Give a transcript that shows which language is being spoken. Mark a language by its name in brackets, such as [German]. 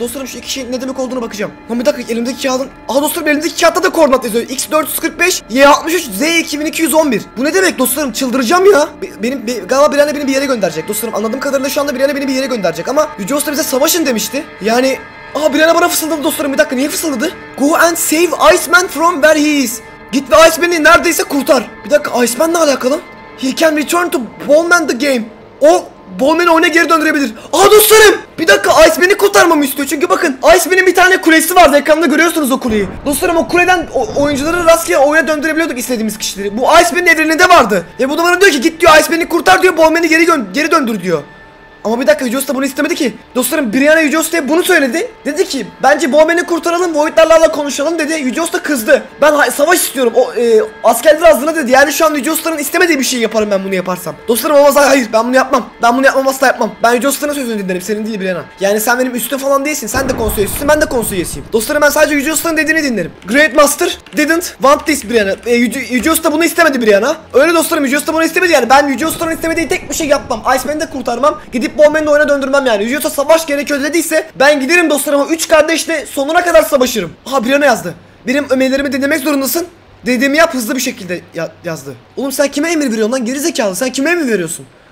[Turkish] Dostlarım şu iki şeyin ne demek olduğunu bakacağım. Lan bir dakika elimdeki kağıdın. Aha dostlarım elimdeki kağıtta da koordinat yazıyor. X445 Y63D2211. Bu ne demek dostlarım çıldıracağım ya. Galiba Brienne beni bir yere gönderecek. Dostlarım anladığım kadarıyla şu anda Brienne beni bir yere gönderecek. Ama Yüce Usta bize savaşın demişti. Yani... Aha Brienne bana fısıldadı dostlarım bir dakika niye fısıldadı? [English] Go and save Iceman from where he is. [Turkish] Git ve Iceman'ı neredeyse kurtar. Bir dakika Iceman ne alakalı? [English] He can return to Bowman the game. [Turkish] O Bowman'ı oyuna geri döndürebilir. Aha dostlarım! Bir dakika Iceman'ı kurtarmamı istiyor çünkü bakın Iceman'ın bir tane kulesi vardı ekranda görüyorsunuz o kuleyi. Dostlarım o kuleden oyuncuları rastgele oyuna döndürebiliyorduk istediğimiz kişileri. Bu Iceman'ın evreninde vardı. Ve bu da bana diyor ki git diyor Iceman'ı kurtar diyor Bowman'ı geri döndür diyor. Ama bir dakika, Yujiosta bunu istemedi ki. Dostlarım, Brianna Yujiosta'ya bunu söyledi. Dedi ki, bence Bowman'i kurtaralım, Voidlarla konuşalım dedi. Yujiosta kızdı. Ben savaş istiyorum. O askerler hazırla dedi. Yani şu an Yujiosta'nın istemediği bir şey yaparım ben bunu yaparsam. Dostlarım ama hayır, ben bunu yapmam. Ben bunu yapmam, asla yapmam. Ben Yujiosta'nın sözünü dinlerim, senin değil Brianna. Yani sen benim üstün falan değilsin. Sen de konsey üyesisin, ben de konsey üyesiyim. Dostlarım, ben sadece Yujiosta'nın dediğini dinlerim. [English] Great Master didn't want this Brianna. [Turkish] Yujiosta bunu istemedi Brianna. Öyle dostlarım, Yujiosta bunu istemedi yani. Ben Yujiosta'nın istemediği tek bir şey yapmam. Iceman'ı da kurtarmam. Gidip Bowman'ı da oyuna döndürmem yani. Yujiosta savaş gerekiyor dediyse ben giderim dostlarım. Üç kardeşle sonuna kadar savaşırım. Aha, Brianna yazdı. Benim emirlerimi dinlemek zorundasın. Dediğimi yap, hızlı bir şekilde yazdı. Oğlum sen kime emir veriyorsun lan gerizekalı? Sen kime emir veriyorsun?